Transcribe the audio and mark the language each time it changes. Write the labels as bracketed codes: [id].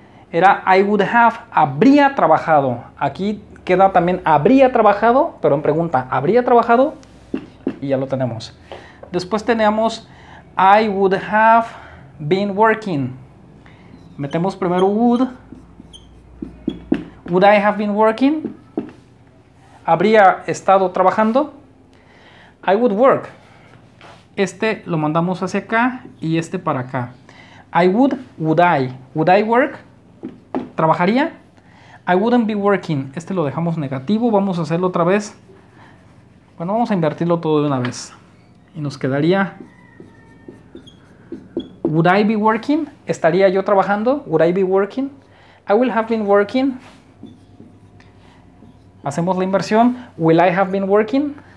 [es] Era I would have, habría trabajado. Aquí queda también habría trabajado, pero en pregunta, ¿habría trabajado? Y ya lo tenemos. [en] Después tenemos I would have been working. Metemos primero would. Would I have been working? [es] ¿Habría estado trabajando? [en] I would work. [es] Este lo mandamos hacia acá y este para acá. [en] I would, would I. Would I work? [es] ¿Trabajaría? [en] I wouldn't be working. [es] Este lo dejamos negativo. Vamos a hacerlo otra vez. Bueno, vamos a invertirlo todo de una vez. [en] Y nos quedaría would I be working? [es] ¿Estaría yo trabajando? [en] Would I be working? I will have been working. [es] Hacemos la inversión. [en] Will I have been working?